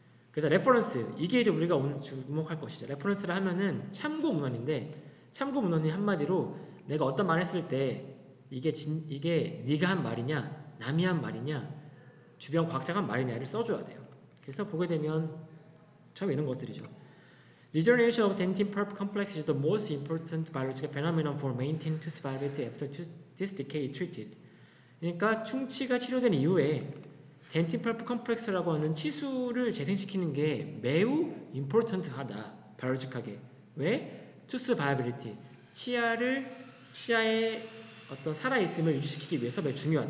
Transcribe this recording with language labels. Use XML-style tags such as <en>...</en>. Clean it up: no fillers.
<ko>그래서 레퍼런스, 이게 이제 우리가 오늘 주목할 것이죠. 레퍼런스를 하면은 참고 문헌인데, 참고 문헌이 한마디로 내가 어떤 말 했을 때 이게 네가 한 말이냐, 남이 한 말이냐, 주변 과학자가 한 말이냐를 써줘야 돼요. 그래서 보게 되면 처음 이런 것들이죠.</ko> <en>Regeneration of dentin pulp complex is the most important biological phenomenon for maintaining tooth viability after this decay is treated.</en> <ko>그러니까 충치가 치료된 이후에 덴틴 펄프 컴플렉스라고 하는 치수를 재생시키는 게 매우 임포턴트하다. 바이올로직하게. 왜? 투스 바이빌리티. 치아의 어떤 살아있음을 유지시키기 위해서 매우 중요하다.</ko>